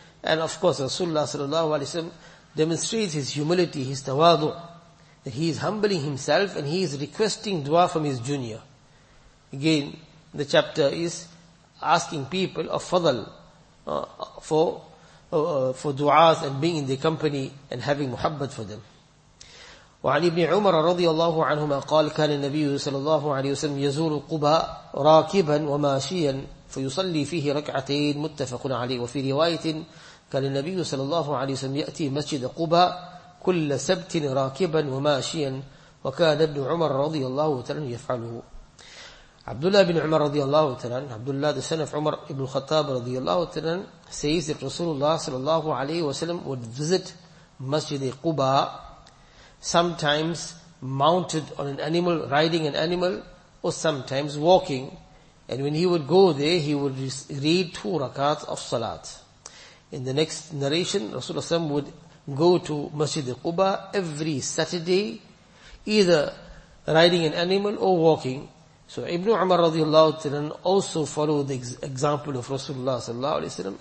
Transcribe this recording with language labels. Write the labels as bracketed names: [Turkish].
[English] And of course, Rasulullah sallallahu alayhi wa sallam demonstrates his humility, his tawadu, that he is humbling himself and he is requesting dua from his junior. Again, the chapter is asking people of fadl for duas and being in their company and having muhabbat for them. [Arabic] وعن ابن عمر رضي الله عنهما قال كان النبي صلى الله عليه وسلم يزور قباء راكبا وماشيا فيصلي فيه ركعتين متفق عليه. وفي رواية كان النبي صلى الله عليه وسلم يأتي مسجد قباء كل سبت راكبا وماشيا وكان ابن عمر رضي الله تعالى يفعله. عبد الله بن عمر رضي الله تعالى [English] عبد الله the son of عمر ابن الخطاب [Arabic] رضي الله تعالى [English] says that Rasulullah [Arabic] صلى الله عليه وسلم [English] would visit مسجد قباء sometimes mounted on an animal, riding an animal, or sometimes walking. And when he would go there, he would read two rakats of salat. In the next narration, Rasulullah would go to Masjid al-Quba every Saturday, either riding an animal or walking. So Ibn Umar radiallahu ta'ala also followed the example of Rasulullah sallallahu alayhi wa sallam.